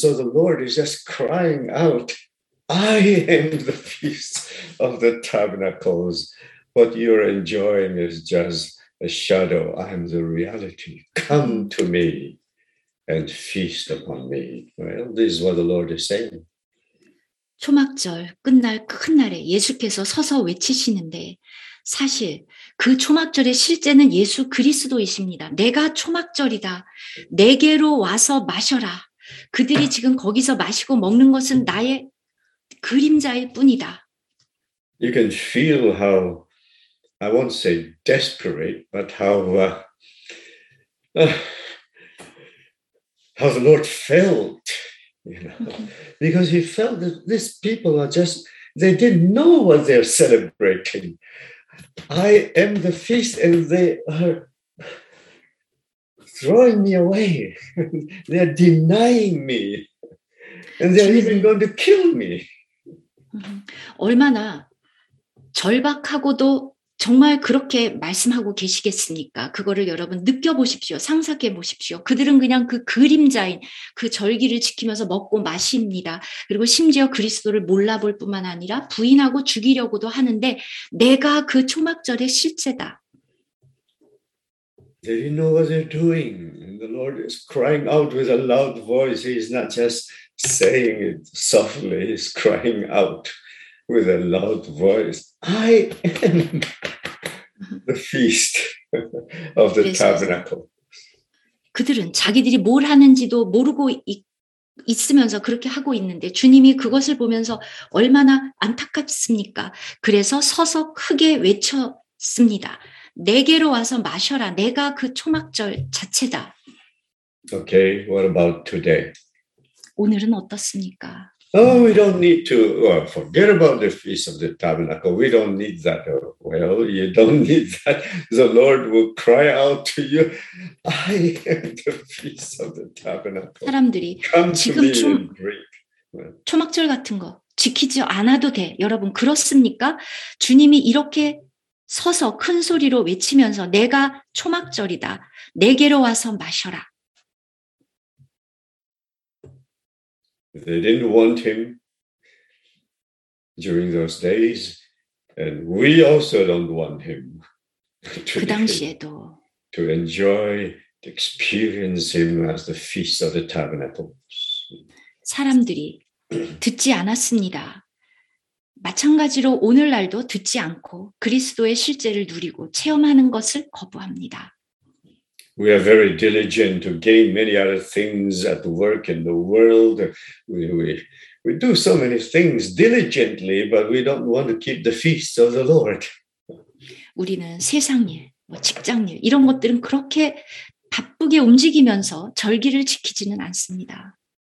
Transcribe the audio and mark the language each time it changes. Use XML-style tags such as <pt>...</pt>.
<en>So the Lord is just crying out, I am the feast of the tabernacles. What you're enjoying is just a shadow. I am the reality. Come to me and feast upon me. Well, this is what the Lord is saying.</en> <ko>초막절 끝날 큰 날에 예수께서 서서 외치시는데 사실 그 초막절의 실제는 예수 그리스도이십니다. 내가 초막절이다. 내게로 와서 마셔라. 그들이 지금 거기서 마시고 먹는 것은 나의 그림자일 뿐이다.</ko> <en>You can feel how, I won't say desperate, but how the Lord felt, you know, because he felt that these people are just, they didn't know what they're celebrating. I am the feast and they are throwing me away. They're denying me. And they're even going to kill me.</en> <ko>얼마나 절박하고도 정말 그렇게 말씀하고 계시겠습니까? 그거를 여러분 느껴보십시오. 상상해 보십시오. 그들은 그냥 그 그림자인 그 절기를 지키면서 먹고 마십니다. 그리고 심지어 그리스도를 몰라볼 뿐만 아니라 부인하고 죽이려고도 하는데 내가 그 초막절의 실체다.</ko> <en>They didn't know what they're doing. And the Lord is crying out with a loud voice. He's not just saying it softly. He's crying out with a loud voice. I am the feast of the tabernacle.</en> <ko>그들은 자기들이 뭘 하는지도 모르고 있으면서 그렇게 하고 있는데 주님이 그것을 보면서 얼마나 안타깝습니까? 그래서 서서 크게 외쳤습니다. 내게로 와서 마셔라. 내가 그 초막절 자체다.</ko> <en>Okay, what about today?</en> <ko>오늘은 어떻습니까?</ko> <en>Oh, we don't need to forget about the Feast of the Tabernacle. We don't need that. Well, you don't need that. The Lord will cry out to you, I am the Feast of the Tabernacle.</en> <ko>사람들이</ko> <en>Come to</en> <ko>지금</ko> <en>me and drink.</en> <ko>초막절 같은 거 지키지 않아도 돼. 여러분, 그렇습니까? 주님이 이렇게 서서 큰 소리로 외치면서 내가 초막절이다. 내게로 와서 마셔라.</ko> <en>They didn't want him during those days, and we also don't want him to enjoy, to experience him as the Feast of the Tabernacles.</en> <ko>사람들이 듣지 않았습니다. 마찬가지로 오늘날도 듣지 않고 그리스도의 실제를 누리고 체험하는 것을 거부합니다.</ko> <en>We are very diligent to gain many other things at work in the world. We do so many things diligently, but we don't want to keep the feast of the Lord.</en> <ko>우리는 세상 일, 뭐 직장 일 이런 것들은 그렇게 바쁘게 움직이면서 절기를 지키지는 않습니다.</ko>